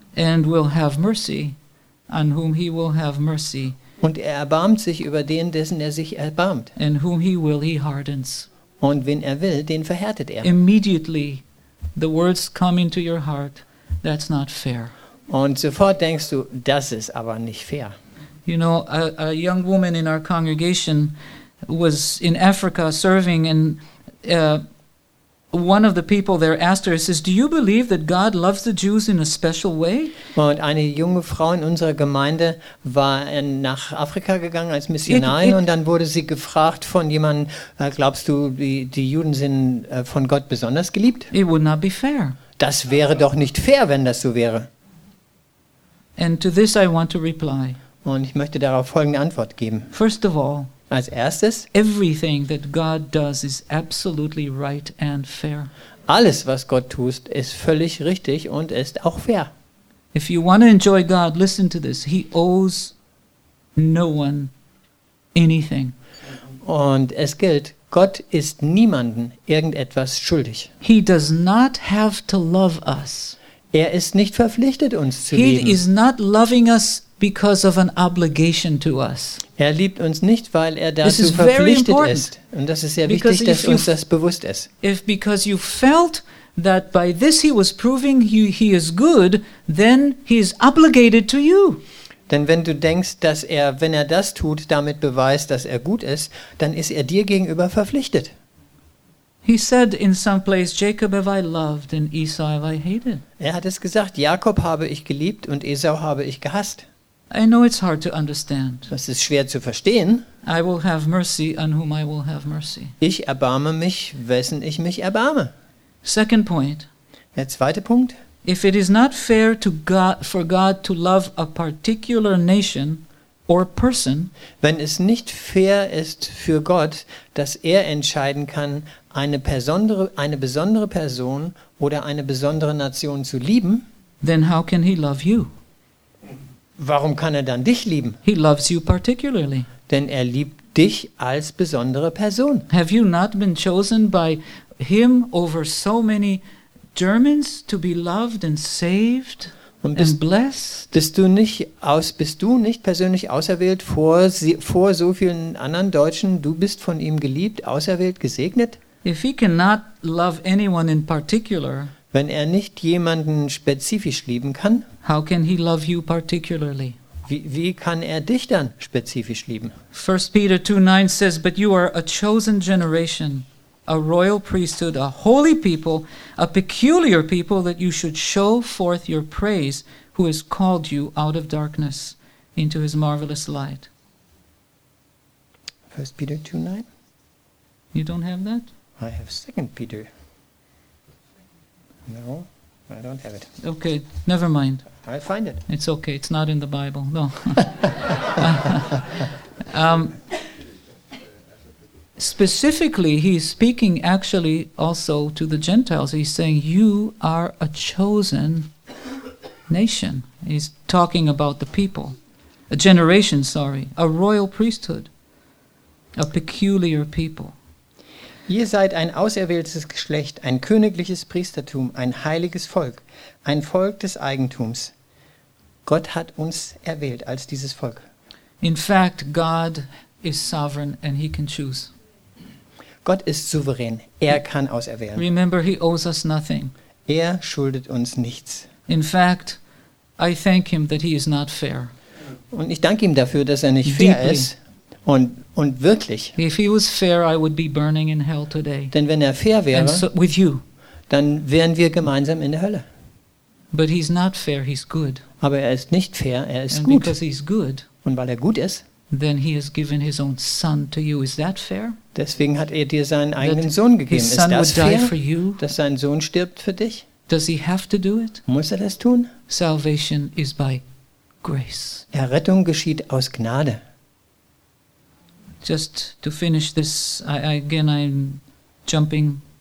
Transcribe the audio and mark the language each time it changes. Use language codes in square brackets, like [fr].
[en] And will have mercy on whom he will have mercy. [de] Und er erbarmt sich über den, dessen er sich erbarmt. [en] And whom he will, he hardens. [de] Und wen er will, den verhärtet er. [en] Immediately the words come into your heart, that's not fair. [de] Und sofort denkst du, das ist aber nicht fair. [en] You know, a young woman in our congregation was in Africa serving, and one of the people there asked her, says, "Do you believe that God loves the Jews in a special way?" [de] Und eine junge Frau in unserer Gemeinde war nach Afrika gegangen als Missionarin, und dann wurde sie gefragt von jemandem, glaubst du, die Juden sind von Gott besonders geliebt? [en] It would not be fair. [de] Das wäre doch nicht fair, wenn das so wäre. [en] And to this I want to reply. [de] Und ich möchte darauf folgende Antwort geben. [en] First of all, [de] als erstes, [en] everything that God does is absolutely right and fair. [de] Alles, was Gott tut, ist völlig richtig und ist auch fair. [en] If you want to enjoy God, listen to this. He owes no one anything. [de] Und es gilt, Gott ist niemanden irgendetwas schuldig. [en] He does not have to love us. [de] Er ist nicht verpflichtet, uns zu lieben. [en] He is not loving us because of an obligation to us. [de] Er liebt uns nicht, weil er dazu verpflichtet ist. Und das ist sehr wichtig, dass uns das bewusst ist. [en] If because you felt that by this he was proving he is good, then he is obligated to you. [de] Denn wenn du denkst, dass er, wenn er das tut, damit beweist, dass er gut ist, dann ist er dir gegenüber verpflichtet. [en] He said in some place, Jacob have I loved and Esau have I hated. [de] Er hat es gesagt, Jakob habe ich geliebt und Esau habe ich gehasst. [en] I know it's hard to understand. [de] Das ist schwer zu verstehen. [en] I will have mercy on whom I will have mercy. [de] Ich erbarme mich, wessen ich mich erbarme. [en] Second point. [de] Der zweite Punkt. [en] If it is not fair to God, for God to love a particular nation or person, [de] wenn es nicht fair ist für Gott, dass er entscheiden kann, eine besondere Person oder eine besondere Nation zu lieben, [en] then how can he love you? [de] Warum kann er dann dich lieben? [en] He loves you particularly. [de] Denn er liebt dich als besondere Person. [en] Have you not been chosen by him over so many Germans to be loved and saved and blessed? [de] Bist du nicht persönlich auserwählt vor so vielen anderen Deutschen? Du bist von ihm geliebt, auserwählt, gesegnet? [en] If he cannot love anyone in particular, [de] wenn er nicht jemanden spezifisch lieben kann, [en] how can he love you particularly? [de] Wie kann er dich dann spezifisch lieben? [en] 1 Peter 2:9 says, but you are a chosen generation, a royal priesthood, a holy people, a peculiar people, that you should show forth your praise, who has called you out of darkness into his marvelous light. 1 Peter 2:9. You don't have that? I have 2 Peter. No, I don't have it. Okay, never mind. I'll find it. It's okay, it's not in the Bible. No. Specifically, he's speaking actually also to the Gentiles. He's saying, you are a chosen nation. He's talking about the people. A generation, sorry. A royal priesthood. A peculiar people. [de] Ihr seid ein auserwähltes Geschlecht, ein königliches Priestertum, ein heiliges Volk, ein Volk des Eigentums. Gott hat uns erwählt als dieses Volk. [en] In fact, God is sovereign and he can choose. [de] Gott ist souverän. Er kann auserwählen. [en] Remember, he owes us nothing. [de] Er schuldet uns nichts. [en] In fact, I thank him that he is not fair. [de] Und ich danke ihm dafür, dass er nicht fair ist. Und wirklich. [en] If he was fair, I would be burning in hell today. [de] Denn wenn er fair wäre, [en] so, with you, [de] dann wären wir gemeinsam in der Hölle. [en] But he's not fair, he's good. [de] Aber er ist nicht fair, er ist [en] and [de] gut. [en] Because he's good, [de] und weil er gut ist, [en] then he has given his own son to you. Is that fair? [de] Deswegen hat er dir seinen eigenen Sohn gegeben. Ist das fair, dass sein Sohn stirbt für dich? [en] Does he have to do it? [de] Muss er das tun? [en] Salvation is by grace. [de] Errettung geschieht aus Gnade. [en] Just to finish this, I'm jumping.